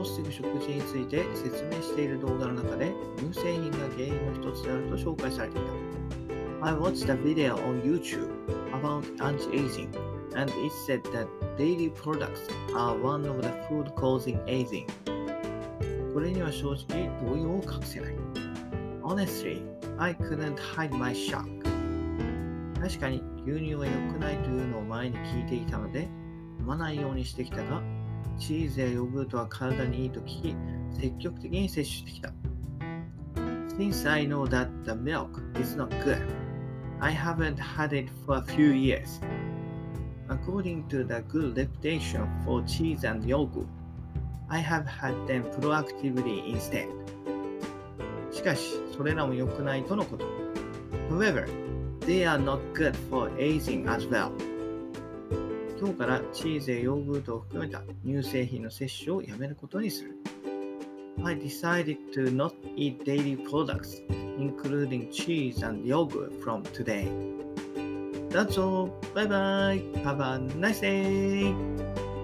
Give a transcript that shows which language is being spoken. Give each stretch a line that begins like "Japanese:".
Japanese: 食事について説明している動画の中で乳製品が原因の一つであると紹介されていた。
English: I watched a video on YouTube about anti-aging and it said that dairy products are one of the food causing aging.
Japanese: これには正直動揺を隠せない。
English: Honestly, I couldn't hide my shock.
Japanese: 確かに牛乳は良くないというのを前に聞いていたので飲まないようにしてきたが、チーズやヨーグルトは体にいいと聞き積極的に摂取してきた。
English: Since I know that the milk is not good, I haven't had it for a few years. According to the good reputation for cheese and yogurt, I have had them proactively instead.
Japanese: しかし、それらも良くないとのこと。
English: However, they are not good for aging as well.
Japanese: 今日からチーズやヨーグルトを含めた乳製品の摂取をやめることにする。
English: I decided to not eat dairy products, including cheese and yogurt from today. That's all. Bye bye. Have a nice day.